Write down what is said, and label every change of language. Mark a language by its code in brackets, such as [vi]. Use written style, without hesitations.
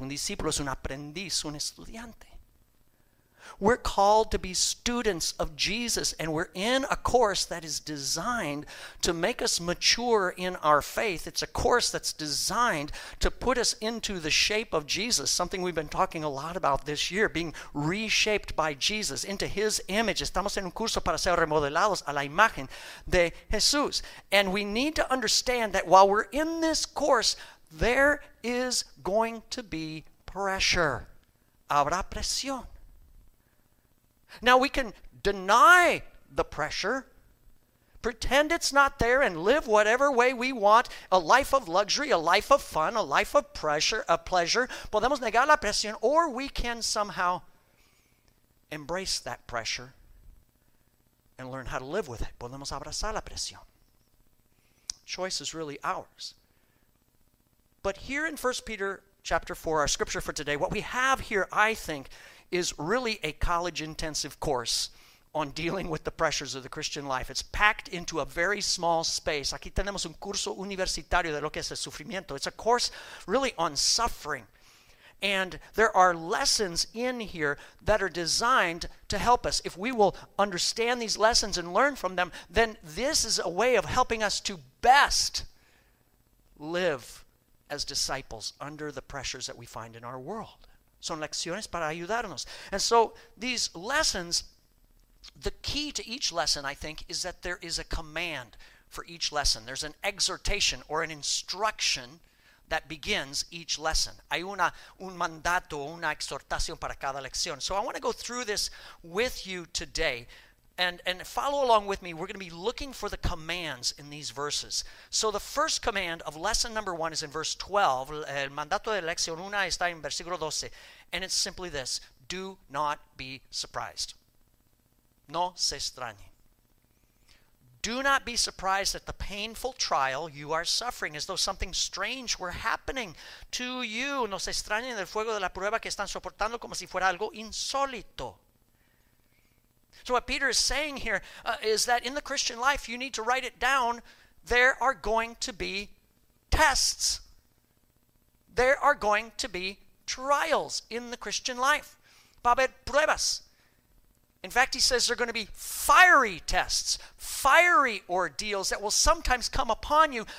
[es] Un discípulo es un aprendiz, un estudiante. [en] We're called to be students of Jesus, and we're in a course that is designed to make us mature in our faith. It's a course that's designed to put us into the shape of Jesus, something we've been talking a lot about this year, being reshaped by Jesus into his image. [es] Estamos en un curso para ser remodelados a la imagen de Jesús. [en] And we need to understand that while we're in this course, there is going to be pressure. [es] Habrá presión. [en] Now, we can deny the pressure, pretend it's not there, and live whatever way we want, a life of luxury, a life of fun, a life of pressure, a pleasure. [es] Podemos negar la presión, [en] or we can somehow embrace that pressure and learn how to live with it. [es] Podemos abrazar la presión. [en] Choice is really ours. But here in 1 Peter chapter 4, our scripture for today, what we have here, I think, is really a college-intensive course on dealing with the pressures of the Christian life. It's packed into a very small space. [es] Aquí tenemos un curso universitario de lo que es el sufrimiento. [en] It's a course really on suffering. And there are lessons in here that are designed to help us. If we will understand these lessons and learn from them, then this is a way of helping us to best live as disciples under the pressures that we find in our world. [es] Son lecciones para ayudarnos. [en] And so these lessons, the key to each lesson, I think, is that there is a command for each lesson. There's an exhortation or an instruction that begins each lesson. [es] Hay un mandato, una exhortación para cada lección. [en] So I want to go through this with you today. And follow along with me. We're going to be looking for the commands in these verses. So the first command of lesson number one is in verse 12. [es] El mandato de lección una está en versículo 12. [en] And it's simply this. Do not be surprised. [es] No se extrañe. [en] Do not be surprised at the painful trial you are suffering, as though something strange were happening to you. [es] No se extrañen del fuego de la prueba que están soportando como si fuera algo insólito. [en] So what Peter is saying here is that in the Christian life, you need to write it down, there are going to be tests. There are going to be trials in the Christian life. [es] Va a haber pruebas. [en] In fact, he says there are going to be fiery tests, fiery ordeals that will sometimes come upon you.